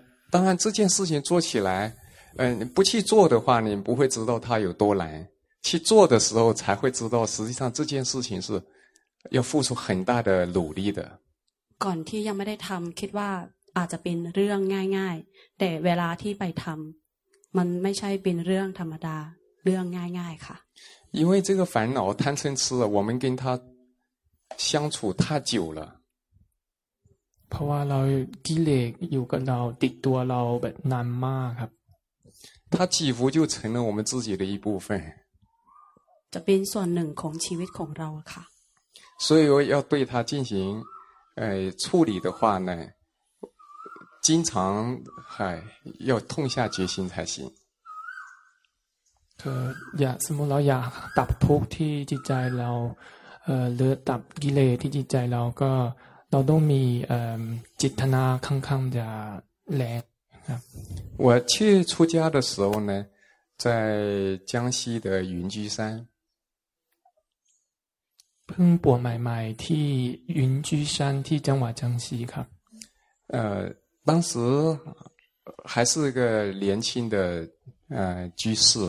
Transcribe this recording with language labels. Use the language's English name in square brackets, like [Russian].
[Chinese] 当然这件事情做起来不去做的话你不会知道它有多难，去做的时候才会知道实际上这件事情是要付出很大的努力的。 [Thai] ก่อนที่ยังไม่ได้ทำคิดว่าอาจจะเป็นเรื่องง่ายๆแต่เวลาที่ไปทำมันไม่ใช่เป็นเรื่องธรรมดาเรื่องง่ายๆค่ะ [Chinese] 因为这个烦恼贪嗔痴我们跟他相处太久了。 [Thai] เพราะว่าเรากิเลสอยู่กับเราติดตัวเราแบบนานมากครับ [Chinese] 它几乎就成了我们自己的一部分 [Thai] จะเป็นส่วนหนึ่งของชีวิตของเราค่ะ [Chinese] 所以要对它进行处理的话呢经常要痛下决心才行 [Thai] อย่าสมมุติเราอยากดับทุกข์ที่จิตใจเราหรือดับกิเลสที่จิตใจเราก็เราต้องมีจิตนาค่อนข้างจะแรงครับ [Chinese] 我去出家的时候呢在江西的云居山 [Thai] เพิ่งบวชใหม่ๆที่云居山ที่จังหวัดจังซีครับ [Chinese] 当时还是一个年轻的居士